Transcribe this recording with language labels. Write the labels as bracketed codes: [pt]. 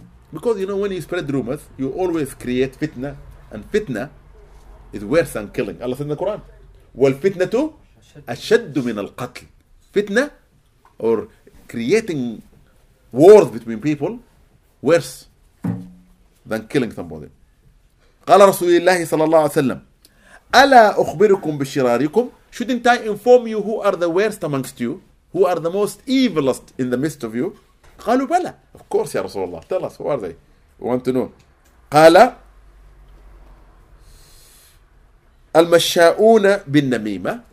[en] Because you know, when you spread rumors, you always create fitna, and fitna is worse than killing. Allah said in the Quran, [ar] wal fitnatu أشد من القتل. [en] فتنة or creating wars between people worse than killing somebody. [ar] قال رسول الله صلى الله عليه وسلم ألا أخبركم بشراركم. [en] Shouldn't I inform you who are the worst amongst you, who are the most evilest in the midst of you? [ar] قالوا بلى. [en] Of course [ar] يا رسول الله. [en] Tell us, who are they? We want to know. [ar] قال المشاؤون بالنميمة.